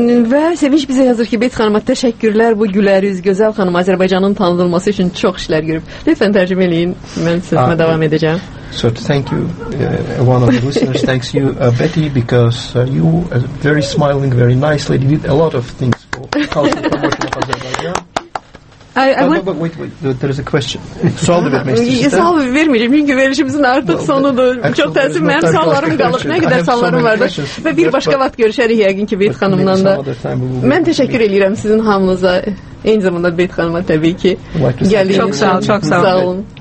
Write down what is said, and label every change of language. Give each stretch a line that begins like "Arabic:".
Azerbaijani: Və Sevinç bizə yazır ki, Beyt xanıma təşəkkürlər, bu güləri üz gözəl xanım Azərbaycanın tanınılması üçün çox işlər görüb. Lütfən tərcümə eləyin, mən sözümə davam edəcəm.
English: So thank you, one of the listeners, thanks you, Betty, because you, very smiling, very nicely, did a lot of things for cultural promotion of Azerbaijan. Wait, there is a question.
Azerbaijani: Sual da verməyəcəyəm. Sual verməyəcəyəm, çünki verilişimizin artıq sonudur. Çox təəssüf, mənim suallarım qalıb, nə qədər suallarım var da. Və bir başqa vaxt görüşərik yəqin ki, Beyt xanımdan da. Mən təşəkkür edirəm sizin hamınıza, eyni zamanda Beyt xanıma təbii ki. Çox sağ olun, çox sağ olun.